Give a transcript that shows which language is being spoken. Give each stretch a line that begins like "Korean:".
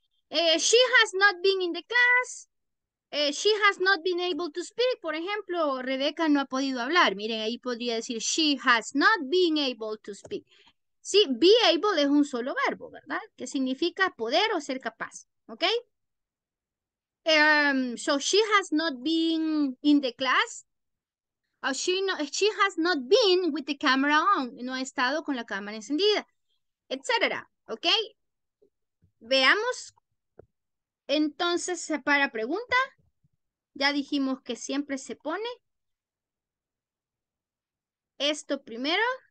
English: She has not been in the class. She has not been able to speak.
Spanish: Por ejemplo, Rebeca no ha podido hablar. Miren, ahí podría decir
English: she has not been able to speak.
Spanish: Sí, be able es un solo verbo, ¿verdad? Que significa poder o ser capaz, ¿ok?
English: So she has not been in the class. She has not been with the camera on.
Spanish: No ha estado con la cámara encendida, etcétera, ¿ok? Veamos, entonces, para pregunta, ya dijimos que siempre se pone esto primero.